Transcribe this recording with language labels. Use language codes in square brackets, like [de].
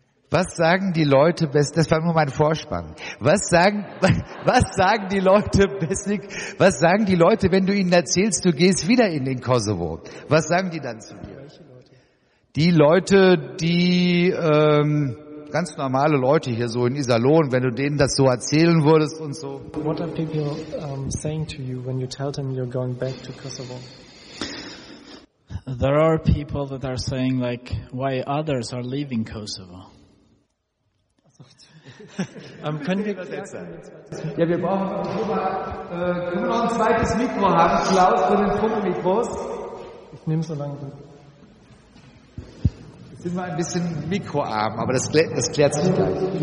[de] Was sagen die Leute, das war nur mein Vorspann. Was sagen die Leute, wenn du ihnen erzählst, du gehst wieder in den Kosovo? Was sagen die dann zu dir? Die Leute, die ganz normale Leute hier so in Iserlohn, wenn du denen das so erzählen würdest und so. [en] What are people saying to you when you tell them you're going back to Kosovo? There are people that are saying like, why others are leaving Kosovo? [de] Können wir das jetzt sagen? Ja, wir brauchen können wir noch ein zweites Mikro haben, Klaus, für den Funkmikros? Ich nehme so lange. Jetzt sind wir ein bisschen mikroarm, aber das klärt sich gleich.